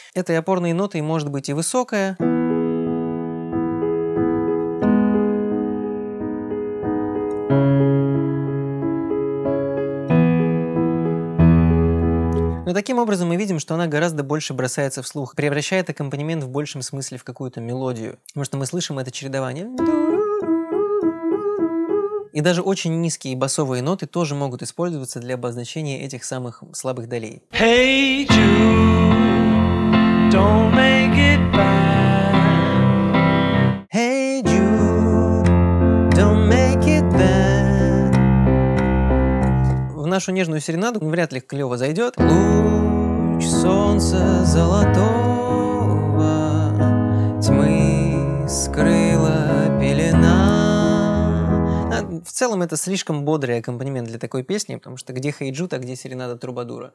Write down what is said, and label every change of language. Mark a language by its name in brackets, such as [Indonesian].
[Russian] Этой опорной нотой может быть и высокая, но таким образом мы видим, что она гораздо больше бросается в слух, превращает аккомпанемент в большем смысле в какую-то мелодию. Потому что мы слышим это чередование. И даже очень низкие басовые ноты тоже могут использоваться для обозначения этих самых слабых долей. [English] Hey Jude, don't make it bad. Hey Jude, don't make it bad. [Russian] В нашу нежную серенаду вряд ли клево зайдет. Солнце золотого, тьмы скрыла пелена. А в целом это слишком бодрый аккомпанемент для такой песни, потому что где Hey Jude, а где серенада трубадура.